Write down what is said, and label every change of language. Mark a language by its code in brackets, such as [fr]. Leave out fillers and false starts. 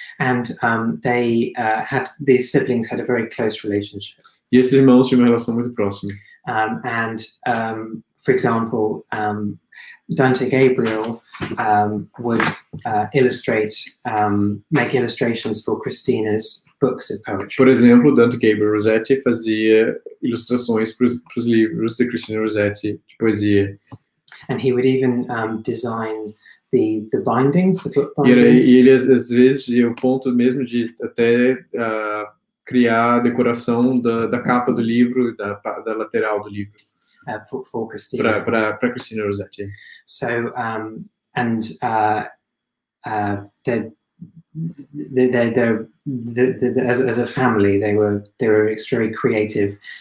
[en] And they had these siblings had a very close relationship. [pt] E esses irmãos tinham uma relação muito próxima. [en] For example, Dante Gabriel would illustrate, make illustrations for Christina's books of poetry. [pt] Por exemplo, Dante Gabriel Rossetti fazia ilustrações para os livros de Christina Rossetti de poesia. [en] And he would even design the bindings, the book bindings. [pt] E ele às vezes o ponto mesmo de até criar a decoração da capa do livro, da lateral do livro. [en] For Christina. [pt] Para Christina Rossetti. [en] So as a family they were extremely creative